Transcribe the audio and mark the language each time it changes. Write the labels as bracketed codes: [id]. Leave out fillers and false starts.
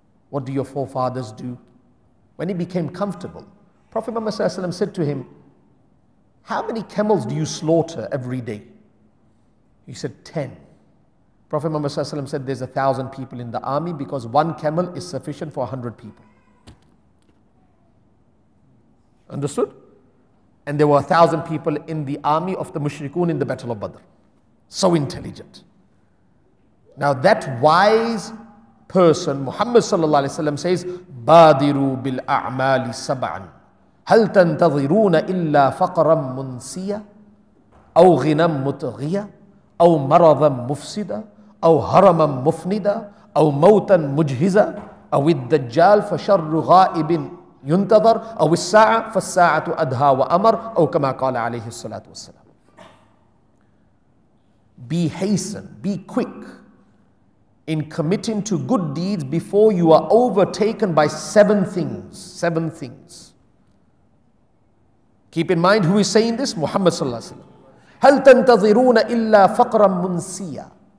[en] What do your forefathers do?" When he became comfortable, Prophet Muhammad sallallahu alaihi wasallam said to him, "How many camels do you slaughter every day?" He said, 10. Prophet Muhammad said, there's 1,000 people in the army because one camel is sufficient for 100 people. Understood? And there were 1,000 people in the army of the mushrikun in the Battle of Badr. So intelligent. Now that wise person, Muhammad sallallahu alayhi wa sallam, says, [ar] بَادِرُوا بِالْأَعْمَالِ سَبْعًا هَلْ تَنْتَظِرُونَ إِلَّا فَقْرًا مُنْسِيًا أَوْ غِنًا مُتْغِيًا أَوْ مَرَضًا مُفْسِدًا أَوْ هَرَمًا مُفْنِدًا أَوْ مَوْتًا مُجْهِزًا أَوْ الدَّجَّالِ فَشَرُّ غَائِبٍ يُنْتَظَرُ أَوْ السَّاعَةِ فَالسَّاعَةُ أَدْهَى وَأَمَرُ أَوْ كَمَا قَالَ عَلَيْهِ الصَّلَاةُ وَالسَّلَامُ. [en] Be hasten, be quick in committing to good deeds before you are overtaken by seven things. Keep in mind who is saying this, Muhammad sallallahu alaihi wasallam. [ar] هَلْ تَنْتَظِرُونَ إِلَّا فَقْرًا مُنْسِيًا.